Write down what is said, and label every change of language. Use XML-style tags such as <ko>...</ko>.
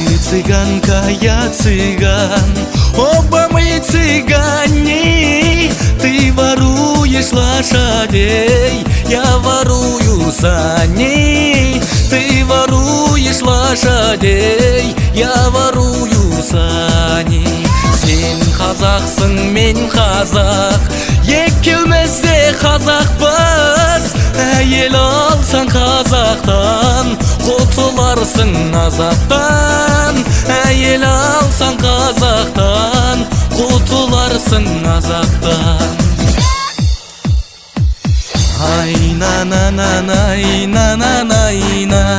<ru>Цыганка, я цыган, оба мы цыгане. Ты воруешь лошадей, я ворую саней. Ты воруешь лошадей, я ворую сани.</ru> <kk>Сен қазақсын, мен қазақ, екеумізде қазақпыз. Әйел алсаң қазақтан, құтыларсың азаптан. Әйел алсаң қазақтан, құтыларсың азаптан. Ай-на-на-на-на, ай-на-на-на-на.</kk>